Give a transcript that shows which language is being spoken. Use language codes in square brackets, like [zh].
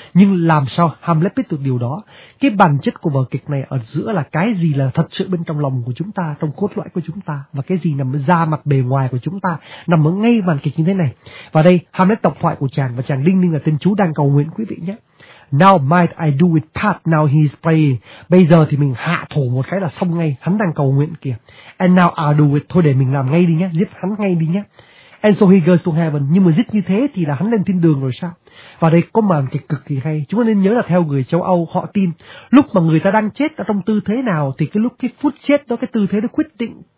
[vi] Nhưng làm sao Hamlet biết được điều đó? Cái bản chất của vở kịch này ở giữa là cái gì là thật sự bên trong lòng của chúng ta, trong cốt lõi của chúng ta, và cái gì nằm ra mặt bề ngoài của chúng ta, nằm ở ngay màn kịch như thế này. Và đây Hamlet độc thoại của chàng, và chàng đinh ninh là tên chú đang cầu nguyện quý vị nhé. [en] Now might I do it part, now he is praying. [vi] Bây giờ thì mình hạ thổ một cái là xong ngay, hắn đang cầu nguyện kìa. [en] And now I'll do it, [vi] thôi để mình làm ngay đi nhé, giết hắn ngay đi nhé. [en] And so he goes to heaven. [vi] Nhưng mà giết như thế thì là hắn lên thiên đường rồi sao? Và đây có màn kịch cực kỳ hay. Chúng ta nên nhớ là theo người châu Âu, họ tin lúc mà người ta đang chết ở trong tư thế nào thì cái lúc cái phút chết đó, cái tư thế nó quyết định